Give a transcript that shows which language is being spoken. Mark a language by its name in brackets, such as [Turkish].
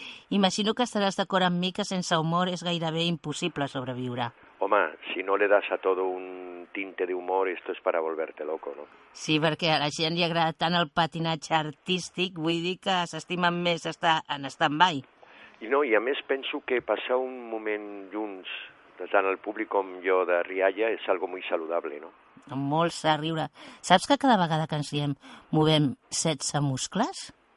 [Catalan] Imagino que estaràs d'acord amb mi que sense humor és gairebé impossible sobreviure. [Spanish] Home, si no le das a todo un tinte de humor, esto es para volverte loco, ¿no? [Catalan] Sí, perquè a la gent li agrada tant el patinatge artístic, vull dir que s'estimen més estar en stand-by. I no, i a més penso que passar un moment junts, tant el públic com jo de rialla, és [Spanish] algo muy saludable, ¿no? [Catalan] Molt a riure. Saps que cada vegada que ens riem movem 16 muscles?